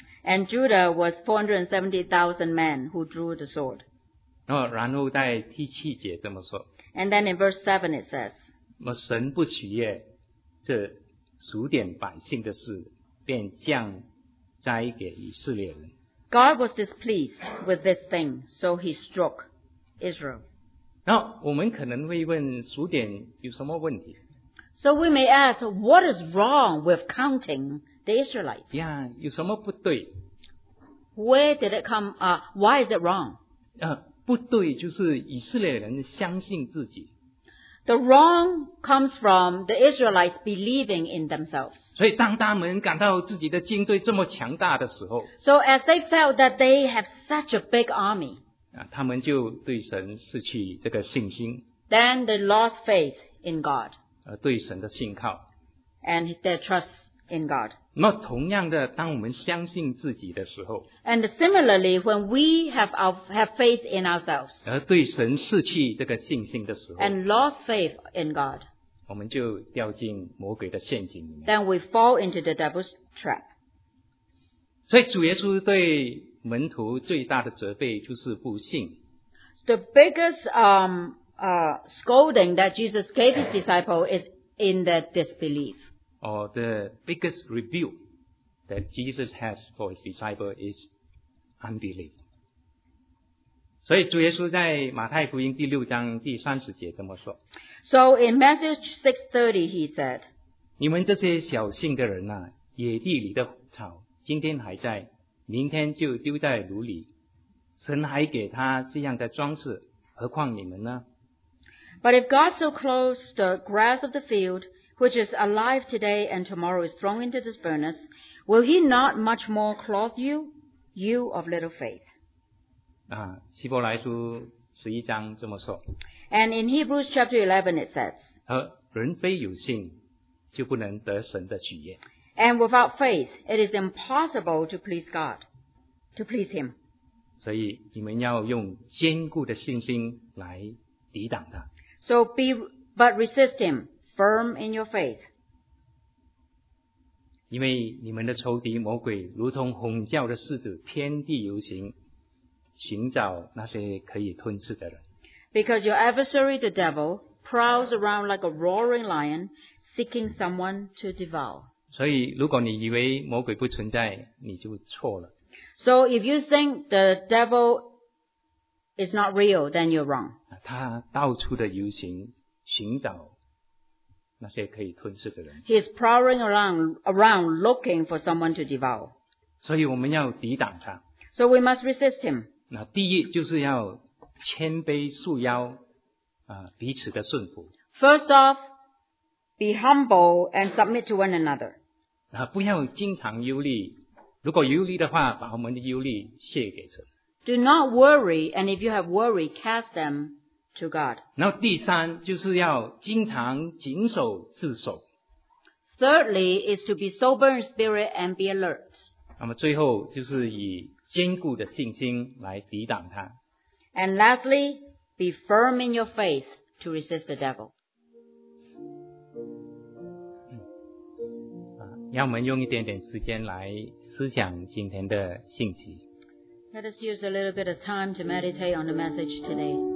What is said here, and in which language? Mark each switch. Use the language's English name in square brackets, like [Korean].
[English] And Judah was 470,000 men who drew the sword. [Chinese] 然后在第七节这么说。 [English] And then in verse 7 it says, [Chinese] 神不喜悦这数点百姓的事，便降灾给以色列人。 [English] God was displeased with this thing, so he struck Israel. [Chinese] 那我们可能会问数点有什么问题。 [English] So we may ask, what is wrong with counting the Israelites? [Chinese] Yeah, 有什么不对? [English] Where did it come, why is it wrong? [Chinese] 不对就是以色列人相信自己。 [English] The wrong comes from the Israelites believing in themselves. [Chinese] 所以当他们感到自己的军队这么强大的时候 [English] So as they felt that they have such a big army, [Chinese] 他们就对神失去这个信心 [English] Then they lost faith in God. [Chinese] 对神的信靠 [English] And their trust in God. [Chinese] 那同样的当我们相信自己的时候 [English] And similarly, when we have faith in ourselves, [Chinese] 而对神失去这个信心的时候 [English] And lost faith in God, [Chinese] 我们就掉进魔鬼的陷阱里面 [English] Then we fall into the devil's trap. [Chinese] 所以主耶稣对门徒最大的责备就是不信 [English] The biggest scolding that Jesus gave his disciples is in their disbelief. Or the biggest rebuke that Jesus has for his disciples is unbelief. [Chinese] 所以主耶稣在马太福音第六章第三十节这么说。 [English] So in Matthew 6:30 he said, [Chinese] 你们这些小信的人啊，野地里的草今天还在，明天就丢在炉里，神还给他这样的装饰，何况你们呢？ [English] But if God so clothes the grass of the field,which is alive today and tomorrow is thrown into this furnace, will he not much more clothe you, you of little faith? [Chinese] 希伯来书十一章这么说。 [English] And in Hebrews chapter 11 it says, [Chinese] 人非有信就不能得神的喜悦。 [English] And without faith, it is impossible to please God, to please him. [Chinese] 所以你们要用坚固的信心来抵挡他。 [English] So be, but resist him. Firm in your faith. [Chinese] 因为你们的仇敌魔鬼如同吼叫的狮子遍地游行寻找那些可以吞噬的人。 [English] Because your adversary, the devil, prowls around like a roaring lion, seeking someone to devour. [Chinese] 所以如果你以为魔鬼不存在你就错了。 [English] So if you think the devil is not real, then you're wrong. [Chinese] 他到处的游行寻找那些可以吞噬的人。 [English] He is prowling around looking for someone to devour. [Chinese] 所以我们要抵挡他。 [English] So we must resist him. [Chinese] 那第一就是要谦卑束腰彼此的顺服。 [English] First off, be humble and submit to one another. [Chinese] 不要经常忧虑如果忧虑的话把我们的忧虑卸给神。 [English] Do not worry, and if you have worry, cast them to God. [Chinese] 然后第三就是要经常谨守自守。 [English] Thirdly is to be sober in spirit and be alert. [Chinese] 那么最后就是以坚固的信心来抵挡他。 [English] And lastly, be firm in your faith to resist the devil. [Chinese] 让我们用一点点时间来思想今天的信息。 [English] Let us use a little bit of time to meditate on the message today.